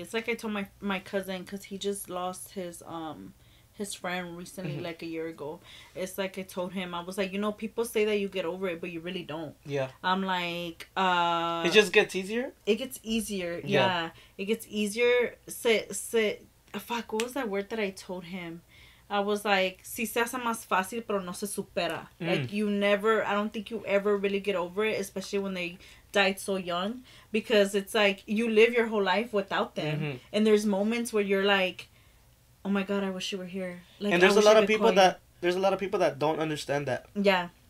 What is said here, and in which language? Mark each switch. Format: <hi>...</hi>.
<en>It's like I told my cousin, because he just lost his friend recently, mm-hmm. like a year ago. It's like I told him, I was like, you know, people say that you get over it, but you really don't. Yeah. I'm like, it just gets easier. It gets easier. Yeah. It gets easier. Fuck, what was that word that I told him? I was like,</en> <es>si se hace más fácil, pero no se supera.</es> <en>Mm. Like, you never, I don't think you ever really get over it, especially when they died so young, because it's like you live your whole life without them. Mm-hmm. And there's moments where you're like, oh my God, I wish you were here. Like, and there's a lot of people that don't understand that. Yeah.</en>